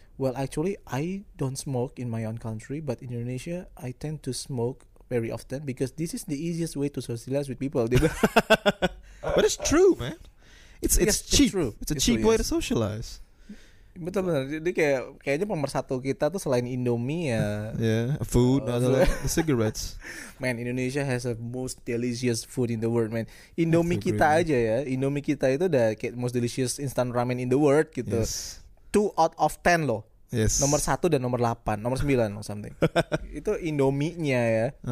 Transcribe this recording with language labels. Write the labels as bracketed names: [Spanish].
[English] Well, actually, I don't smoke in my own country, but in Indonesia, I tend to smoke very often because this is the easiest way to socialize with people. But it's true, man. It's cheap way to socialize. [Indonesian] Betul-betul. Jadi kayaknya pemersatu kita tuh selain Indomie ya. [English] Yeah, food, the cigarettes. Man, Indonesia has the most delicious food in the world, man. [Indonesian] Indomie kita aja ya. Indomie kita itu udah kayak [English] most delicious instant ramen in the world [Indonesian] gitu. Yes. [English] 2 out of 10 loh. Yes. [Indonesian] Nomor 1 dan nomor 8, nomor 9 [English] or something. [Indonesian] Itu Indomie-nya ya.